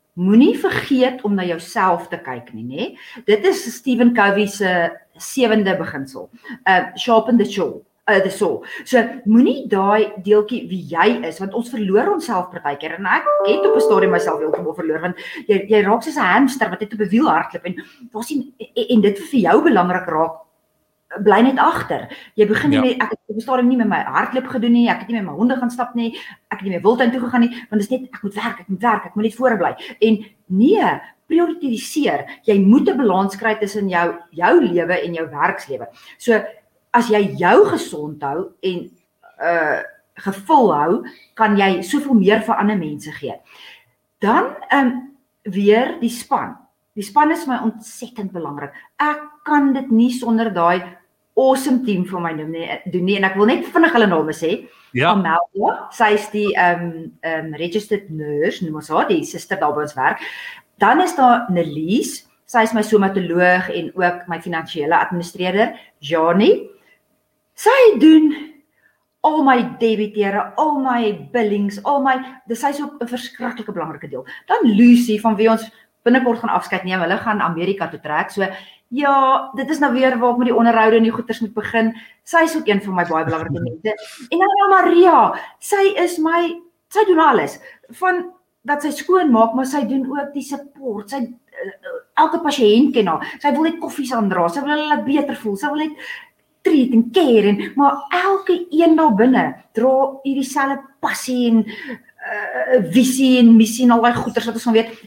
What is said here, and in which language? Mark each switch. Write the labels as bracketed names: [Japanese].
[Afrikaans] moenie vergeet om na jouself te kyk nie, nê? Dit is Stephen Covey se 7de beginsel. [English] Sharpen the saw. [Afrikaans] So moenie daai deeltjie wie jy is, want ons verloor onsself partykeer en ek het op 'n stadium myself heeltemal verloor, want jy raak soos 'n hamster wat net op 'n wiel hardloop en daar sien en dit vir jou belangrik raak. Bly net agter. Jy begin nie, ek het op 'n stadium nie met my hardloop gedoen nie, ek het nie met my honde gaan stap nie, ek het nie met my wildtuin toe gegaan nie, want dit is net ek moet werk, ek moet net voorbly. En nee, prioritiseer. Jy moet 'n balans kry tussen jou lewe en jou werkslewe. So as jy jou gesond hou en gevul hou, kan jy soveel meer vir ander mense gee. Dan weer die span. Die span is my ontsettend belangrik. Ek kan dit nie sonder daai awesome team vir my doen nie. En ek wil net vinnig hulle name sê. Ja. Amelia, sy is die registered nurse, noem ons haar, die sister daar by ons werk. Dan is daar Nelies, sy is my somatoloog en ook my finansiële administreerder, Jani. Sy doen al my debiteure, al my billings, dis is ook 'n verskriklike belangrike deel. Dan Lucy, van wie ons binnekort gaan afskeid neem, hulle gaan Amerika toe trek, so ja, dit is nou weer waar ek met die onderhoude en die goeders moet begin. Sy is ook een van my baie belangrike mense. En dan Maria, sy doen alles. Van dat sy skoon maak, maar sy doen ook die support. Sy elke pasiënt ken haar. Sy wil net koffies aandra, sy wil hulle laat beter voel, sy wil net treat en care, en, maar elke een daar binne dra hierdie selfe passie en visie en missie en al die goeders wat ons van weet.